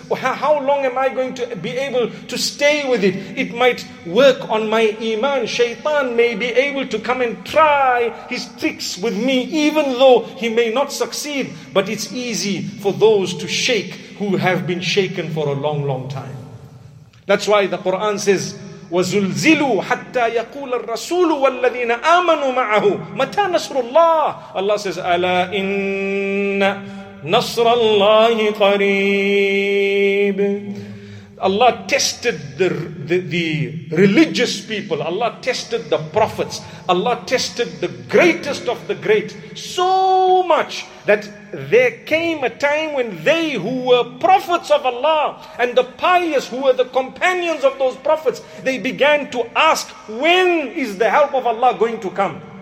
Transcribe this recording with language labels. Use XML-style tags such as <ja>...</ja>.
<en>How long am I going to be able to stay with it? It might work on my iman. Shaitan may be able to come and try his tricks with me, even though he may not succeed. But it's easy for those to shake who have been shaken for a long, long time. That's why the Quran says,</en> <ar>وَزُلْزِلُوا حَتَّى يَقُولَ الرَّسُولُ وَالَّذِينَ آمَنُوا مَعَهُ مَتَى نَصْرُ اللَّهِ.</ar> <en>Allah says,</en> <ar>أَلَا إِنَّ نَصْرَ اللَّهِ قَرِيبٌ.</ar> <en>Allah tested the religious people. Allah tested the prophets. Allah tested the greatest of the great so much that there came a time when they who were prophets of Allah and the pious who were the companions of those prophets, they began to ask, when is the help of Allah going to come?</en>